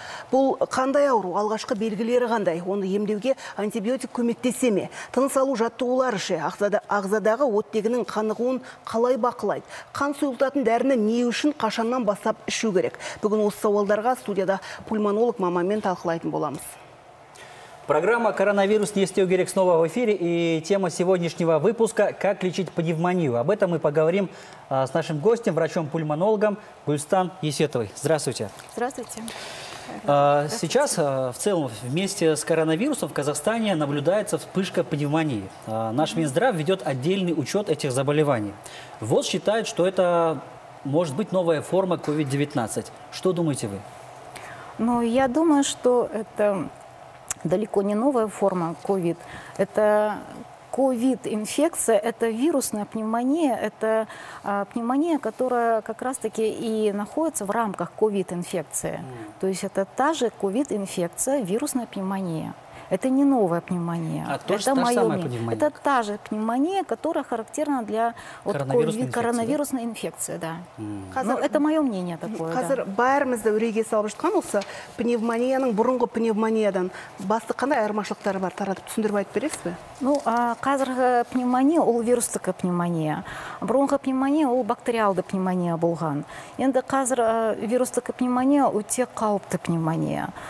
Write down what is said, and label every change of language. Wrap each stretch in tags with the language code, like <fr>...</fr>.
<kk>Бұл қандай ауру, алғашқы белгілері қандай, оны емдеуге антибиотик көмектесе ме, тыныс алу жаттығулары ше, ағзадағы оттегінің қанығуын қалай бақылайды, қан сұйылтатын дәріні не үшін қашаннан бастап ішу керек. Бүгін осы сауалдарға студияда пульмонолог мамамен талқылайтын боламыз.</kk> <ru>Программа «Коронавирус. Не істеу керек» снова в эфире. И тема сегодняшнего выпуска – «Как лечить пневмонию». Об этом мы поговорим с нашим гостем, врачом-пульмонологом Гульстан Есетовой. Здравствуйте. Здравствуйте. Сейчас в целом вместе с коронавирусом в Казахстане наблюдается вспышка пневмонии. Наш Минздрав ведет отдельный учет этих заболеваний. ВОЗ считает, что это может быть новая форма COVID-19. Что думаете вы? Ну, я думаю, что это далеко не новая форма COVID. Это COVID-инфекция, это вирусная пневмония, это пневмония, которая как раз-таки и находится в рамках COVID-инфекции. То есть это та же COVID-инфекция, вирусная пневмония. Это не новая пневмония. Это та же пневмония, которая характерна для коронавирусной инфекции. Да. Қазір, но это мое мнение такое.</ru> <kk>Қазір, да. Бәрімізді үреге салып жатқан болса, пневмонияның бұрынғы пневмониядан басты қандай айырмашылықтары бар, таратып түсіндіріп айтып бересіз бе? Ну, қазіргі пневмония ол вирустық пневмония. Бұрынғы пневмония ол бактериалды пневмония болған. Енді қазір вирустық пневмония өте қауіпті пневмония.</kk>